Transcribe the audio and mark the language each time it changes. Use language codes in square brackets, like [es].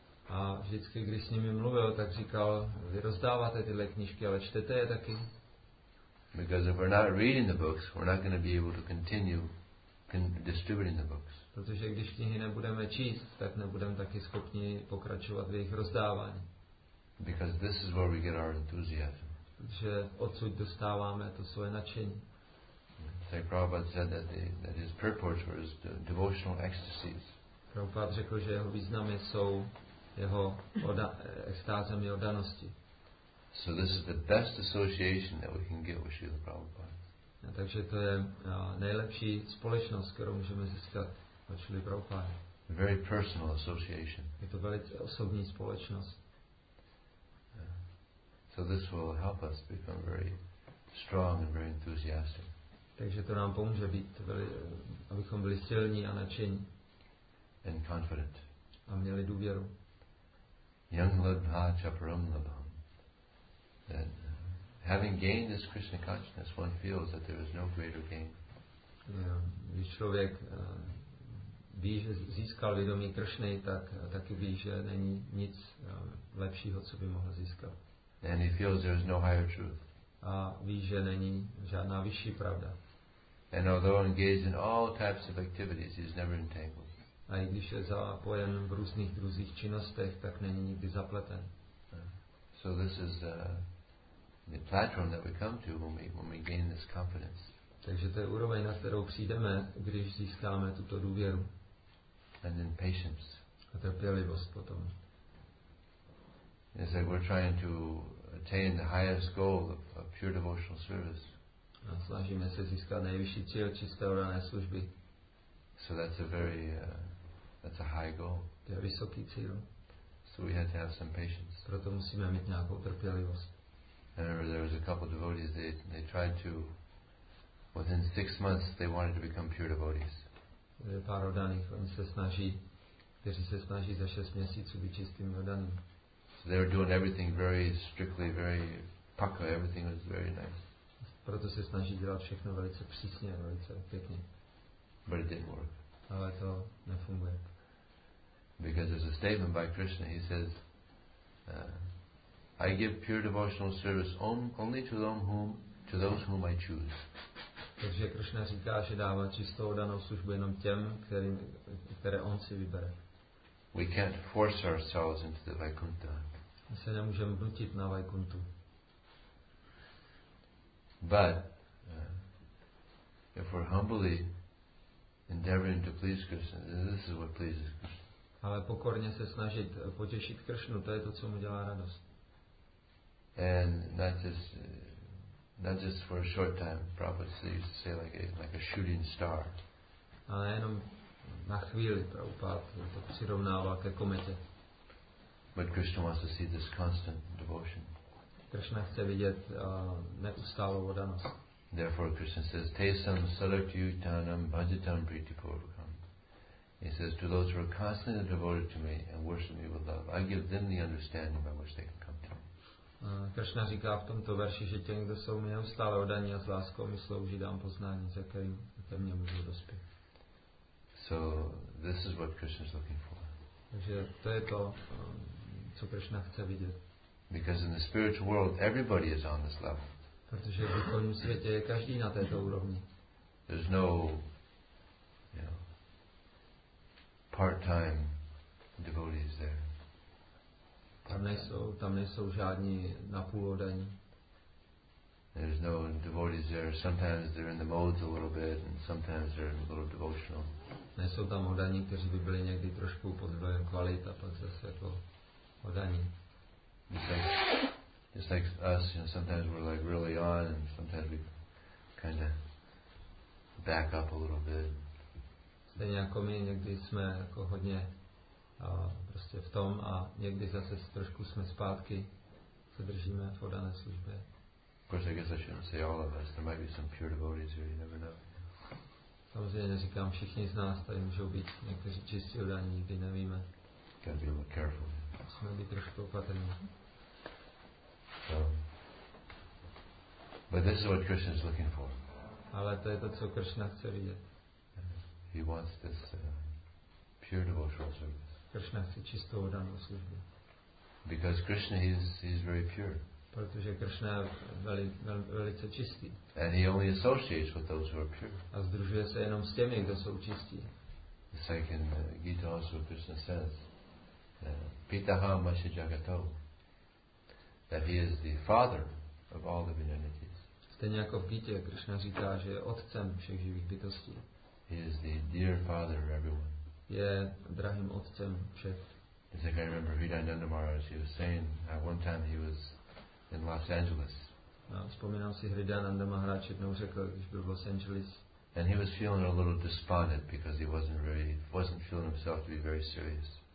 [cs] A vždycky, když s nimi mluvil, tak říkal, vy rozdáváte tyhle knížky, ale čtete je taky? [en] Because if we're not reading the books, we're not going to be able to continue distributing the books. [cs] Protože když knihy nebudeme číst, tak nebudeme taky schopni pokračovat v jejich rozdávání. [en] Because this is where we get our enthusiasm. [cs] Že odsud dostáváme to svoje nadšení. [en] Say Prabhupada said that his purport was the devotional ecstasies. [cs] Prabhupada řekl, že jeho významy jsou jeho extázemi oddanosti. [en] So this is the best association that we can get with Srila Prabhupada. [cs] A takže to je nejlepší společnost, kterou můžeme získat od Srila Prabhupada. [en] Very personal association. [cs] Je to velice osobní společnost. [en] So this will help us become very strong and very enthusiastic. [cs] Takže to nám pomůže být, abychom byli silní a nadšení. [en] And confident. [cs] A měli důvěru. [sa] Young labha chaparam labham. [en] That having gained this Krishna consciousness, one feels that there is no greater gain. [cs] Když člověk ví, že získal vědomí Kršny, tak taky ví, že není nic lepšího, co by mohl získat. [en] And he feels there is no higher truth. [cs] A ví, že není žádná vyšší pravda. [en] And although engaged in all types of activities, he is never entangled. [cs] A i když je zapojen v různých druzích činnostech, tak není nikdy zapleten. [en] So this is the platform that we come to when we gain this confidence. [cs] Takže to je úroveň, na kterou přijdeme, když získáme tuto důvěru. [en] And then patience. [cs] A trpělivost potom. [en] It's like we're trying to attain the highest goal of pure devotional service. [cs] A snažíme se získat nejvyšší cíl čisté orané služby. [en] So that's a very that's a high goal. [cs] To je vysoký cíl. [en] So we had to have some patience. [cs] Proto musíme mít nějakou trpělivost. [en] I remember there was a couple of devotees, they tried to, within 6 months they wanted to become pure devotees. [cs] Pár oddaných, oni se snaží, kteří se snaží za 6 měsíců být čistými oddaným. [en] So they were doing everything very strictly, very pukka, everything was very nice. [cs] Proto se snaží dělat všechno velice přísně, velice pěkně. [en] But it didn't work. [cs] Ale to nefunguje. [en] Because there's a statement by Krishna, he says, I give pure devotional service only to those whom I choose. [cs] Takže Krishna říká, že dává čistou danou službu jenom těm, které on si vybere. [en] We can't force ourselves into the Vaikuntha. [cs] My se nemůžeme vnutit na Vaikuntu. [en] But if we're humbly endeavoring to please Krishna, this is what pleases Krishna. [cs] Ale pokorně se snažit potěšit Kršnu, to je to, co mu dělá radost. [en] And not just for a short time, Prabhupada used to say like a shooting star. [cs] Ale jenom na chvíli, Prabhupada to přirovnává ke kometě. [en] But Krishna wants to see this constant devotion. [cs] Kršna chce vidět neustálou oddanost. [en] Therefore Krishna says, [sa] Tesam sarakyutanam bhajatam pritipurvakam. [en] He says, to those who are constantly devoted to me and worship me with love, I give them the understanding by which they can come to me. [cs] Krishna říká v tomto verši, že těm, kdo jsou mi neustále oddaní a s láskou mi slouží, dám poznání, za kterým ke mně můžou dospět. [en] So this is what Krishna is looking for. [cs] Takže to je to, co Krishna chce vidět. [en] Because in the spiritual world, everybody is on this level. [cs] Protože v duchovním světě je každý na této úrovni. [en] There's no, part-time devotees there. [cs] Tam nejsou žádní napůl oddaní. [en] There's no devotees there. Sometimes they're in the modes a little bit, and sometimes they're a little devotional. [cs] Nejsou tam oddaní, kteří by byli někdy trošku pod vlivem kvalit a pak zase jako oddaní. [en] It's like us, sometimes we're like really on, and sometimes we kind of back up a little bit. [cs] Stejně jako my, někdy jsme jako hodně prostě v tom a někdy zase trošku jsme zpátky, se držíme v oddané službě. [en] Of course, I guess I shouldn't say all of us. There might be some pure devotees here, you never know. [cs] Samozřejmě neříkám všichni z nás, tady můžou být někteří čistí oddaní, nikdy nevíme. [en] Gotta be a little careful. [cs] Musíme být trošku opatrní. [en] But this is what Krishna is looking for. [cs] Ale to je to, co Krishna chce vidět. [en] He wants this pure devotional service. [cs] Krishna chce čistou oddanou službu. [en] Because Krishna is very pure. [cs] Protože Krishna je velice čistý. [en] And he only associates with those who are pure. [cs] A združuje se jenom s těmi, kdo jsou čistí. [en] It's like in Gita also Krishna says, [sa] Pitaha Masya Jagato, [en] that he is the father of all living entities. [cs] Stejně jako v Gita, Krishna říká, že je otcem všech živých bytostí. [en] He is the dear father of everyone. [cs] Je drahým otcem všech. [en] It's like I remember Hridayananda Maharaj, he was saying, at one time he was in Los Angeles. [cs] No, vzpomínám si Hridayananda Maharaj jednou řekl, když byl v Los Angeles. [en] And he was feeling a little despondent because he wasn't feeling himself to be very serious.